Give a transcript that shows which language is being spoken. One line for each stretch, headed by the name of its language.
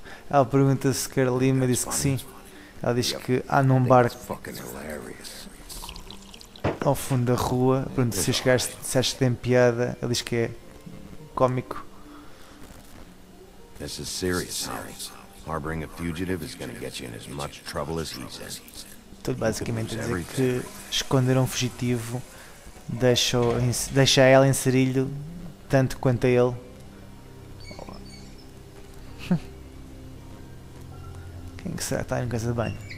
Portuguese: Ela pergunta se quer Lima, disse que sim. Ela diz que há num bar. Ao fundo da rua, pronto, se chegares, disseste que tem piada, ele diz que é cómico.
English: This is serious, Harry. Harboring a fugitive is gonna get you in as much trouble as he's in.
Portuguese: Tudo basicamente a dizer que esconder um fugitivo deixa ela em sarilho tanto quanto a ele. Quem que será que está aí em casa de banho?